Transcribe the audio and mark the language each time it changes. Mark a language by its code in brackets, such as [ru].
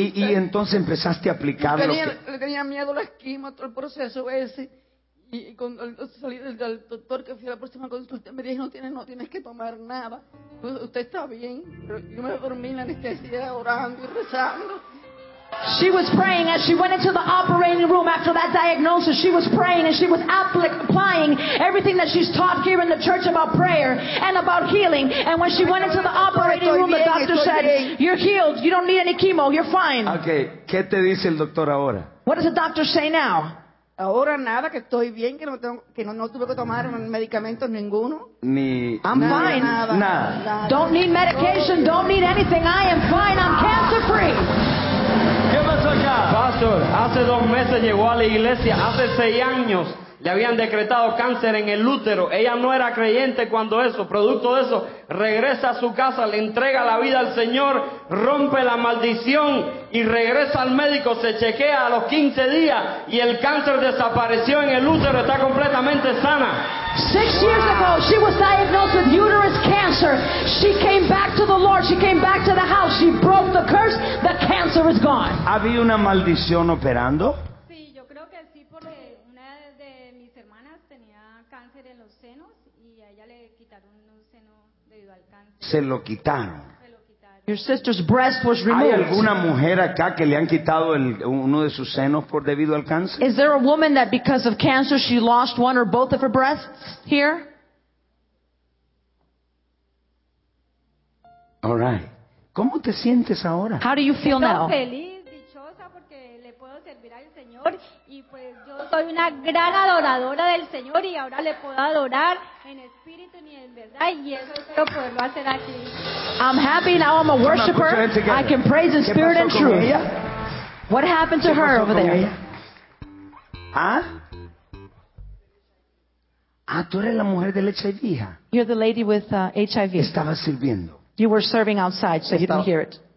[es] Y entonces empezaste a aplicar lo que... Le tenía miedo a la quimio, todo el proceso ese. Y con salí del doctor que fui a la próxima consulta, me dijo, no tienes que tomar nada. Usted está bien, pero yo me dormí en la anestesia orando y rezando. [en] She was praying as she went into the operating room after that diagnosis. She was praying and she was applying everything that she's taught here in the church about prayer and about healing. And when she went into the operating room, the doctor said, you're healed. You don't need any chemo. You're fine. [es] Okay. ¿Qué te dice el doctor ahora? [en] What does the doctor say now? [es] Ahora nada, que estoy bien, que no tuve que tomar medicamentos ninguno. [en] I'm fine. Don't need medication. Don't need anything. I am fine. I'm cancer free. [es] ¿Qué pasó acá? Pastor, hace dos meses llegó a la iglesia, hace 6 años le habían decretado cáncer en el útero. Ella no era creyente cuando eso, producto de eso, regresa a su casa, le entrega la vida al Señor, rompe la maldición y regresa al médico, se chequea a los 15 días y el cáncer desapareció en el útero, está completamente sana. [en] 6 years ago, she was diagnosed with uterus cancer. She came back to the Lord. She came back to the house. She broke the curse. The cancer is gone. [es] ¿Había una maldición operando? Sí, yo creo que sí, porque una de mis hermanas tenía cáncer en los senos y a ella le quitaron un seno debido al cáncer. Se lo quitaron. [en] Your sister's breast was removed. [es] ¿Hay alguna mujer acá que le han quitado uno de sus senos por debido al cáncer? [en] Is there a woman that because of cancer she lost one or both of her breasts here? All right. [es] ¿Cómo te sientes ahora? [en] How do you feel now? [es] Estoy feliz, dichosa, porque le puedo servir al Señor. Y pues yo soy una gran adoradora del Señor y ahora le puedo adorar en espíritu y en verdad. Y eso espero poderlo hacer aquí. [en] I'm happy now. I'm a worshiper. I can praise in spirit and truth. [es] Ella? [en] What happened to her over there? [es] Ella? Huh? Ah, tú eres la mujer del HIV, hija. [en] You're the lady with HIV. [es] Estaba sirviendo. [en] You were serving outside, so you didn't hear it.